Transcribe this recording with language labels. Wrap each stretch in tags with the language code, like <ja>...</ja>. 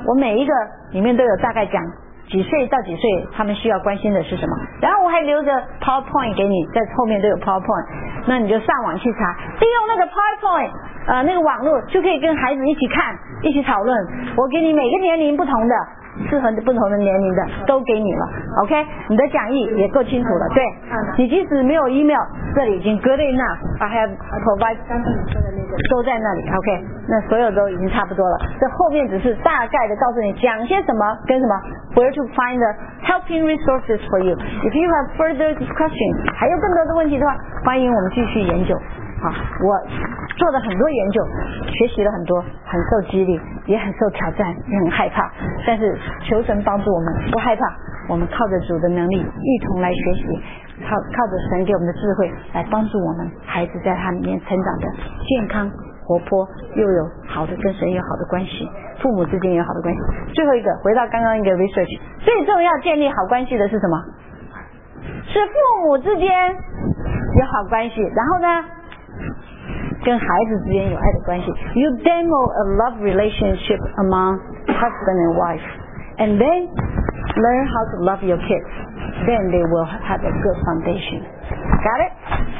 <zh>我每一个里面都有大概讲几岁到几岁他们需要关心的是什么，然后我还留着 PowerPoint 给你，在后面都有 PowerPoint， 那你就上网去查，利用那个 PowerPoint 那个网络就可以跟孩子一起看一起讨论。我给你每个年龄不同的，适合的不同的年龄的都给你了。 OK， 你的讲义也够清楚了。对，你即使没有 email， 这里已经 good enough， I have provided 刚才你说的那个都在那里。 OK， 那所有都已经差不多了，这后面只是大概的告诉你讲些什么跟什么。</zh> <en>Where to find the helping resources for you if you have further discussion，还有更多的问题的话，欢迎我们继续研究。</en> <zh>好，我做了很多研究，学习了很多，很受激励，也很受挑战，也很害怕，但是求神帮助我们不害怕，我们靠着主的能力一同来学习，靠着神给我们的智慧来帮助我们孩子在他里面成长的健康活泼，又有好的跟神有好的关系，父母之间有好的关系。最后一个，回到刚刚一个 research， 最重要建立好关系的是什么？是父母之间有好关系，然后呢跟孩子之间有爱的关系。</zh> <en>You demo a love relationship among husband and wife and then learn how to love your kids, then they will have a good foundation. Got it?</en>